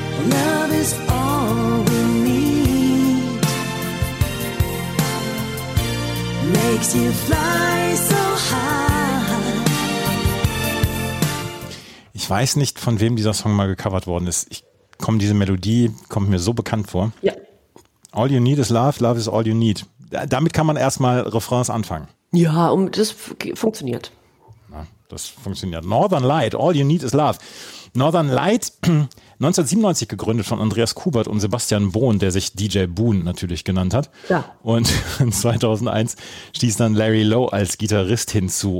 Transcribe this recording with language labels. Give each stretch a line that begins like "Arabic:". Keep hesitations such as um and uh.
English: Love is all we need. Makes you fly so high.
German: Ich weiß nicht, von wem dieser Song mal gecovert worden ist. Ich komme diese Melodie, kommt mir so bekannt vor. Ja.
English: All you need is love, love is all you need.
German: Da- Damit kann man erstmal Refrains anfangen. Ja, um, das f- funktioniert. Na, das funktioniert. Northern Light, all you need is love. Northern Light, 1997 gegründet von Andreas Kubert und Sebastian Bohn, der sich DJ Boon natürlich genannt hat. Ja. Und 2001 stieß dann Larry Lowe als Gitarrist hinzu.